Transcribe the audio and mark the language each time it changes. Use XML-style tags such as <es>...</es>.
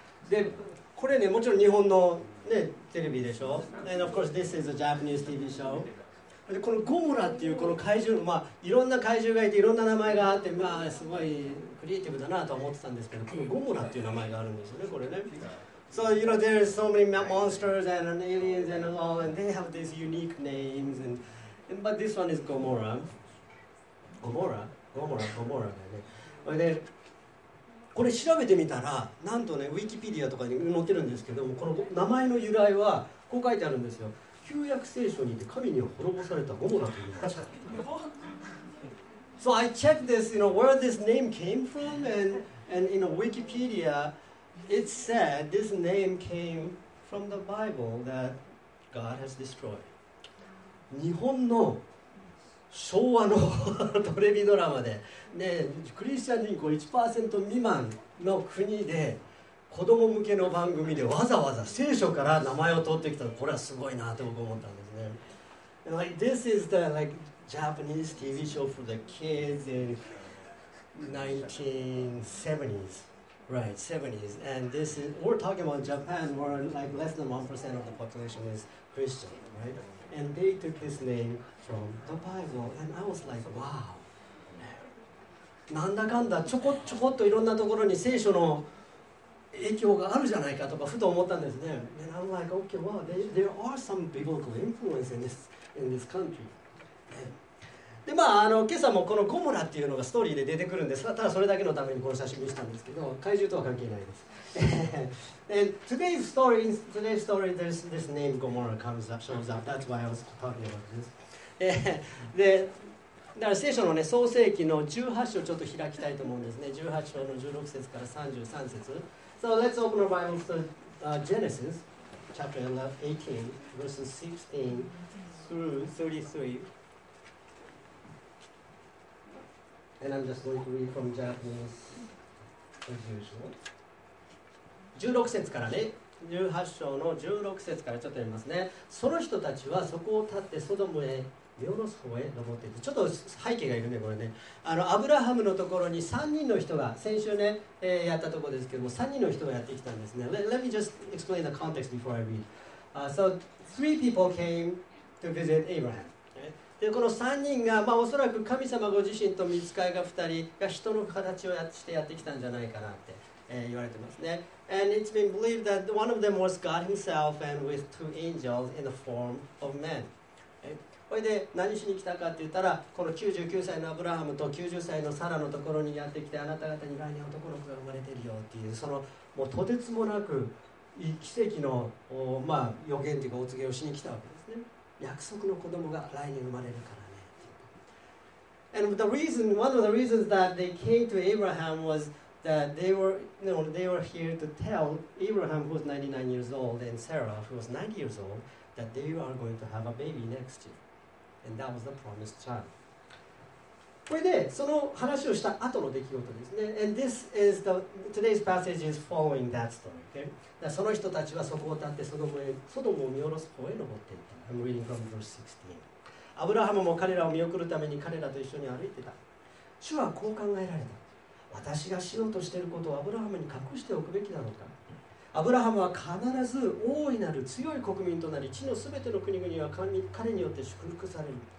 <ja>で、これね、もちろん日本の、ね、テレビでしょ。</ja> <en>And of course, this is a Japanese TV show.</en> <ja>でこのゴモラっていうこの怪獣、まあ、いろんな怪獣がいていろんな名前があって、まあ、すごいクリエイティブだなと思ってたんですけど、このゴモラっていう名前があるんですよね、これね。</ja> <en>So, you know, there are so many monsters and aliens and all, and they have these unique names. And, but this one is Gomorrah. Gomorrah</en> <ja>だよね。それで、これ調べてみたら、なんとね、ウィキペディアとかに載ってるんですけども、この名前の由来はこう書いてあるんですよ。旧約聖書にて神に滅ぼされたゴモラという名前。</ja> <en>So I checked this, you know, where this name came from, and in a Wikipedia, it said this name came from the Bible that God has destroyed.</en> <ja>日本の昭和のテレビドラマで、ね、クリスチャン人口 1% 未満の国で、子供向けの番組でわざわざ聖書から名前を取ってきたの、これはすごいなと僕思ったんですね。</ja> <en>Like, this is the like, Japanese TV show for the kids in 1970s. Right, 70s. And this is, we're talking about Japan where like, less than 1% of the population is Christian. Right? And they took his name from the Bible. And I was like, wow.</en> <ja>なんだかんだちょこちょこっといろんなところに聖書の影響があるじゃないかとかふと思ったんですね。</ja> <en>And I'm like, okay, well, there are some biblical influence in this country.、</en> <ja>ね、で、まあ、あの、今朝もこのゴモラっていうのがストーリーで出てくるんですが、ただそれだけのためにこの写真見せたんですけど、怪獣とは関係ないです。</ja> <en>And today's story, this name Gomorrah comes up, shows up. That's why I was talking about this.</en> <ja>で、だから聖書のね、創世記の18章をちょっと開きたいと思うんですね。 18章の16節から33節。</ja> <en>So let's open our Bibles to Genesis chapter 18, verses 16 through 33. And I'm just going to read from Japanese as usual.</en> <ja>16節からね、18章の16節からちょっと読みますね。その人たちはそこを立ってソドムへ、見下ろす方へ登っていく。ちょっと背景がいるね、これね。あの、アブラハムのところに3人の人が、先週ね、やったところですけども、3人の人がやってきたんですね。</ja> <en>Let me just explain the context before I read.、so, three people came to visit Abraham.、Okay?</en> <ja>で、この3人が、まあ、おそらく神様ご自身と御使いが2人が人の形をしてやってきたんじゃないかなって、言われてますね。</ja> <en>And it's been believed that one of them was God himself and with two angels in the form of men.</en> <ja>それで何しに来たかって言ったら、この99歳のアブラハムと90歳のサラのところにやってきて、あなた方に来年男の子が生まれてるよっていう、そのもうとてつもなく奇跡の、まあ、予言というかお告げをしに来たわけですね。約束の子供が来年生まれるからね。</ja> <en>And the reason, one of the reasons that they came to Abraham was that they were here to tell Abraham, who was 99 years old, and Sarah, who was 90 years old, that they are going to have a baby next year. And that was the promised child.</en> <ja>これでその話をした後の出来事ですね。</ja> <en>And this is the today's passage is following that story. Okay?</en> <ja>その人たちはそこを立ってソドムへ、ソドムを見下ろす方へ登っていた。</ja> <en>I'm reading from verse 16.</en> <ja>アブラハムも彼らを見送るために彼らと一緒に歩いてた。主はこう考えられた。私がしようとしていることをアブラハムに隠しておくべきだろうか。アブラハムは必ず大いなる強い国民となり、地のすべての国々は彼によって祝福される。</ja>